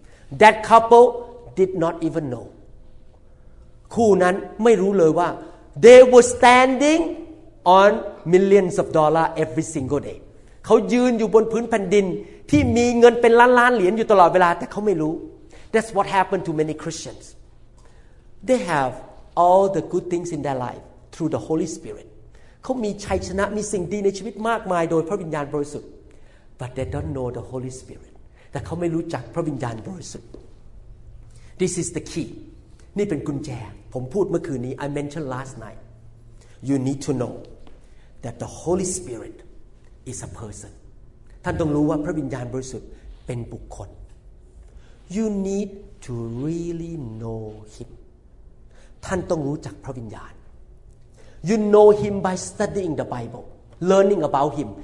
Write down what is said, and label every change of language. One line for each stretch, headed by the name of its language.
English: That couple did not even know.
Thai: คู่นั้นไม่รู้เลยว่า
English: they were standing on millions of dollars every single day.
Thai: เขายืนอยู่บนพื้นแผ่นดินที่มีเงินเป็นล้านล้านเหรียญอยู่ตลอดเวลาแต่เขาไม่รู้
English: That's what happened to many Christians. They have all the good things in their life through the Holy Spirit.
Thai: ขามีชัยชนะมีสิ่งดีในชีวิตมากมายโดยพระวิญญาณบริสุทธิ์
English: but they don't know the Holy Spirit
Thai: แต่เขาไม่รู้จักพระวิญญาณบริสุทธิ์
English: this is the key
Thai: นี่เป็นกุญแจผมพูดเมื่อคืนนี้
English: I mentioned last night you need to know that the Holy Spirit is a person
Thai: ท่านต้องรู้ว่าพระวิญญาณบริสุทธิ์เป็นบุคคล
English: you need to really know him
Thai: ท่านต้องรู้จักพระวิญญาณ
English: You know him by studying the Bible, learning about him.